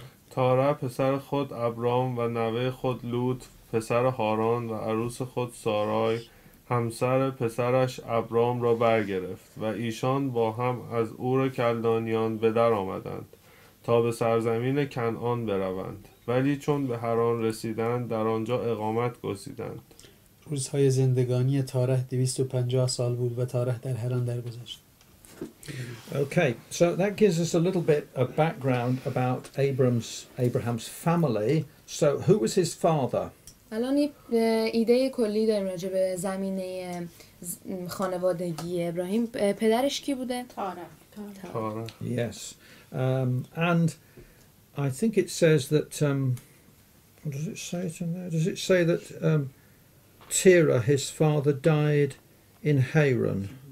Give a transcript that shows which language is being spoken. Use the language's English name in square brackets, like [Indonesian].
[Persian] تاره پسر خود ابرام و نوه خود لوط پسر هاران و عروس خود سارای همسر پسرش ابرام را برگرفت و ایشان با هم از اور کلدانیان به در آمدند تا به سرزمین کنعان بروند. ولی چون به هران رسیدند در آنجا اقامت گزیدند. روزهای زندگانی تاره 250 سال بود و تاره در هران درگذشت. [English] Okay, so that gives us a little bit of background about Abraham's family. So who was his father? [Persian] الان ایده کلی در راجع به زمینه خانوادگی ابراهیم پدرش کی بوده؟ تاره. [English] Yes. And I think it says that, what does it say in there? Does it say that Terah, his father, died in Haran?